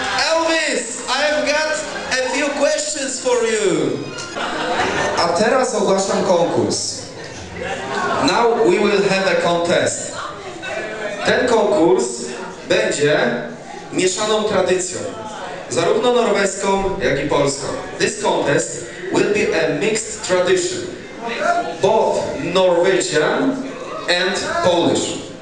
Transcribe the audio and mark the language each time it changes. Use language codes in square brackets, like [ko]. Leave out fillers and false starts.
[en] Elvis, I've got a few questions for you. [pl] A teraz ogłaszam konkurs. [en] Now we will have a contest. [pl] Ten konkurs będzie mieszaną tradycją, zarówno norweską, jak i polską. [en] This contest will be a mixed tradition, both Norwegian and Polish.